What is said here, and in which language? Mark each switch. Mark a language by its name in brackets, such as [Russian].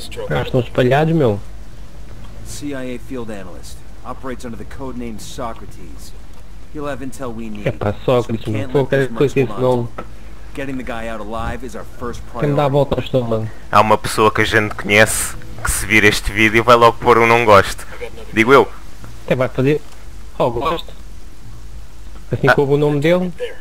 [Portuguese] Ah, estão espalhados, meu. [English] CIA Field Analyst. Operates under the code name Socrates. He'll have intel we need. [Portuguese] É pá, Sócrates, meu. Pô, quero que fosse esse nome. [English] Getting the guy out alive is our first priority. [Portuguese] Quem dá a volta ao estômago? Há uma pessoa que a gente conhece que se vir este vídeo vai logo pôr um não gosto. Digo eu. Até vai fazer... Oh, gosto. Assim que houve o nome dele.